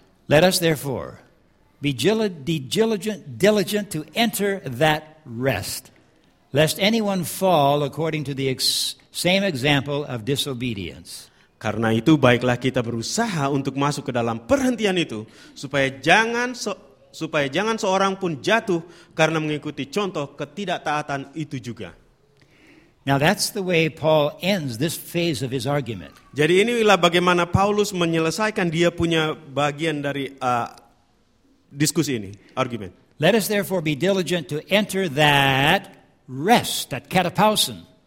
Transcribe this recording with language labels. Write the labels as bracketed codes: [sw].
[en] Let us therefore be diligent to enter that rest, lest anyone fall according to the same example of disobedience. [id] Karena itu baiklah kita berusaha untuk masuk ke dalam perhentian itu, supaya jangan seorang pun jatuh karena mengikuti contoh ketidaktaatan itu juga. [en] Now that's the way Paul ends this phase of his argument. [id] Jadi inilah bagaimana Paulus menyelesaikan dia punya bagian dari diskusi ini, argument. [en] Let us therefore be diligent to enter that rest, that katapausen.